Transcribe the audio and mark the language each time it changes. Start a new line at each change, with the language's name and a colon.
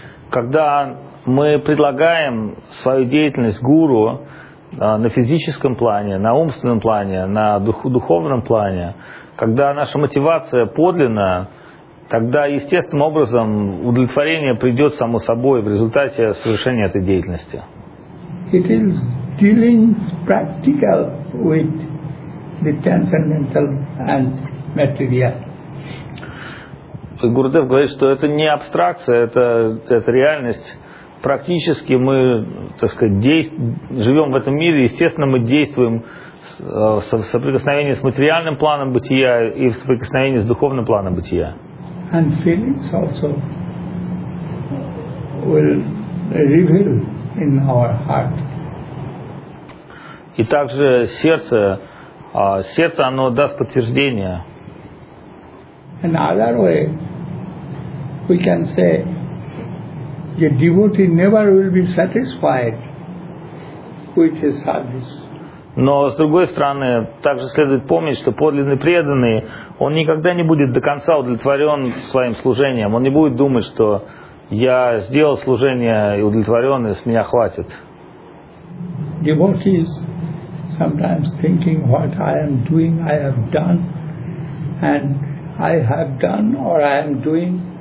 Russian: Когда мы предлагаем свою деятельность гуру на физическом плане, на умственном плане, на духовном плане, когда наша мотивация подлинна, тогда естественным образом удовлетворение придет само собой в результате совершения этой деятельности.
English: It is dealing practical with the transcendental and material.
Russian: Гурудев говорит, что это не абстракция, это реальность. Практически мы, так сказать, живем в этом мире, естественно, мы действуем в соприкосновении с материальным планом бытия и в соприкосновении с духовным планом бытия.
English: And feelings also will reveal in our heart.
Russian: И также сердце, оно даст подтверждение.
English: Another way. We can say the devotee never will be satisfied with his service.
Russian: Но с другой стороны, также следует помнить, что подлинный преданный, он никогда не будет до конца удовлетворен своим служением. Он не будет думать, что я сделал служение и удовлетворен, и с меня хватит.
English: Devotee is sometimes thinking what I am doing, I have done, and I have done or I am doing.